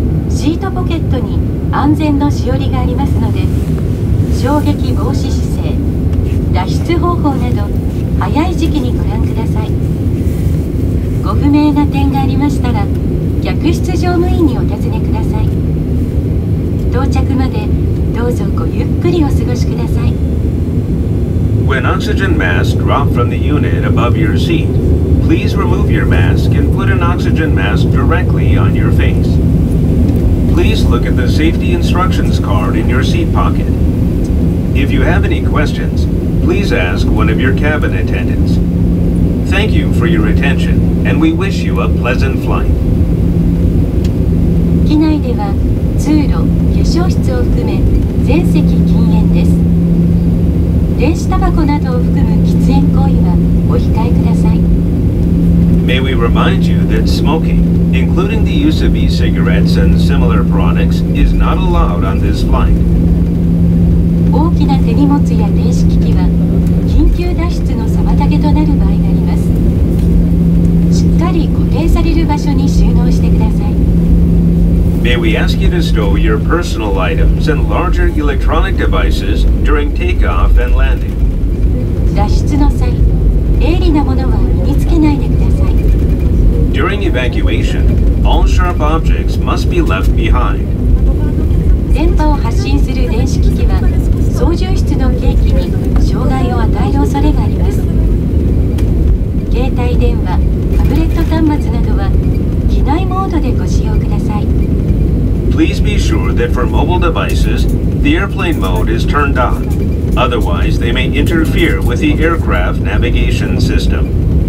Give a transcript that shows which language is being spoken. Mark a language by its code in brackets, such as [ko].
[ja] シートポケットに安全のしおりがありますので、衝撃防止姿勢、脱出方法など早い時期にご覧ください。ご不明な点がありましたら客室乗務員にお尋ねください。到着までどうぞごゆっくりお過ごしください。 [en] When oxygen masks drop from the unit above your seat, please remove your mask and put an oxygen mask directly on your face. Please look at the safety instructions card in your seat pocket. If you have any questions, please ask one of your cabin attendants. Thank you for your attention, and we wish you a pleasant flight. [ja] 機内では通路、化粧室を含め全席禁煙です。電子タバコなどを含む喫煙行為はお控えください。 [en] May we remind you that smoking, including the use of e-cigarettes and similar products, is not allowed on this flight. [ja] 大きな手荷物や電子機器は緊急脱出の妨げとなる場合があります。しっかり固定される場所に収納してください。 [en] May we ask you to stow your personal items and larger electronic devices during takeoff and landing. [ja] 脱出の際、鋭利なものは身につけないでください。 [en] During evacuation, all sharp objects must be left behind. [ja] 電波を発信する電子機器は操縦室の計器に障害を与える恐れがあります。携帯電話、タブレット端末などは機内モードでご使用ください。 [en] Please be sure that for mobile devices, the airplane mode is turned on. Otherwise, they may interfere with the aircraft navigation system.